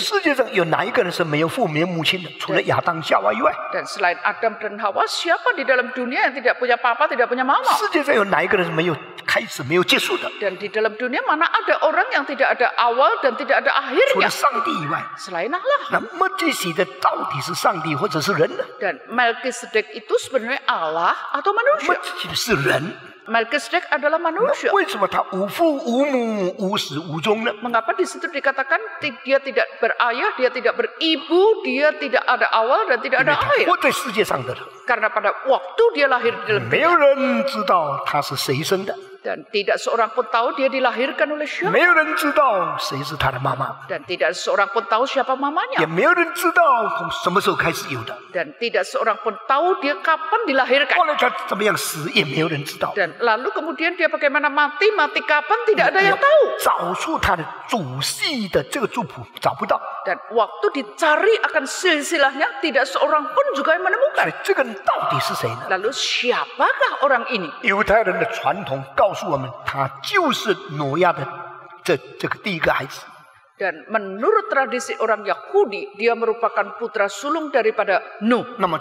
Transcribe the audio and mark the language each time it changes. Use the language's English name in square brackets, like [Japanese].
[Chinese] 世界上有哪一个人是没有父母没有母亲的? 除了亚当夏娃以外. [Indonesian] Dan selain Adam dan Hawa, siapa di dalam dunia yang tidak punya papa, tidak punya mama? [Chinese] 世界上有哪一个人是没有开始没有结束的? [Indonesian] Dan di dalam dunia mana ada orang yang tidak ada awal dan tidak ada akhirnya? [Chinese] 除了上帝以外. [Indonesian] Selain Allah. [Chinese] 那么这些的 到底是上帝或者是人呢? [Indonesian] Dan Melkisedek itu sebenarnya Allah atau manusia? [Chinese] 自己是人. [Indonesian] Melkisedek adalah manusia. [Chinese] 为什么他无父无母无始无终呢? [Indonesian] Mengapa di situ dikatakan dia tidak berayah, dia tidak beribu, dia tidak ada awal dan tidak ada akhir? [Chinese] 因为他活在世界上的. [Indonesian] Karena pada waktu dia lahir di dalam. [Chinese] 没有人知道他是谁生的. [Indonesian] Dan tidak seorang pun tahu dia dilahirkan oleh siapa. [Chinese] 没有人知道谁是他的妈妈. [Indonesian] Dan tidak seorang pun tahu siapa mamanya. [Chinese] 也没有人知道从什么时候开始有的. [Indonesian] Dan tidak seorang pun tahu dia kapan dilahirkan. [Chinese] 后来他怎么样死也没有人知道. [Indonesian] Dan lalu kemudian dia bagaimana mati, mati kapan tidak ada yang tahu. [Chinese] 找出他的祖系的这个族谱找不到. [Indonesian] Dan waktu dicari akan silsilahnya tidak seorang pun juga yang menemukan. [Chinese] 所以这个人到底是谁呢? [Indonesian] Lalu siapakah orang ini? [Chinese] 犹太人的传统 告诉我们，他就是挪亚的这个第一个孩子。 [Indonesian] Dan menurut tradisi orang Yahudi, dia merupakan putra sulung daripada Nuh.